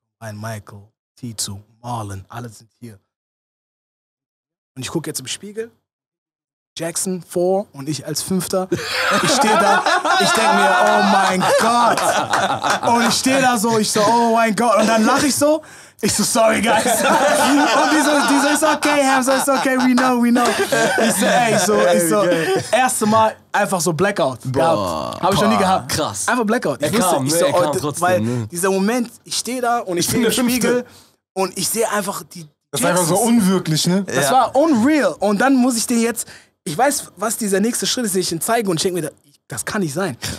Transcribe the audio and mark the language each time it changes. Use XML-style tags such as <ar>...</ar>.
<de>Ein Michael, Tito, Marlon, alle sind hier. Und ich gucke jetzt im Spiegel. Jackson 4 und ich als 5. Ich stehe da, ich denke mir, oh mein Gott. Und ich stehe da so, ich so, oh mein Gott. Und dann lache ich so. Ich so,</de> <en>sorry, guys.</en> <de>Und die so,</de> <en>it's okay, Hamza, it's okay, we know.</en> <de>Ich so, ey, ich so, erste Mal einfach so Blackout. Habe ich noch nie gehabt. Krass. Einfach Blackout. Ich wusste, trotzdem. Weil dieser Moment, ich stehe da und ich stehe im Spiegel und ich sehe einfach die Jacksons. Das war einfach so unwirklich, ne? Das war unreal. Und dann muss ich den jetzt, ich weiß, was dieser nächste Schritt ist, den ich ihn zeige und schenke mir da, das kann nicht sein.</de>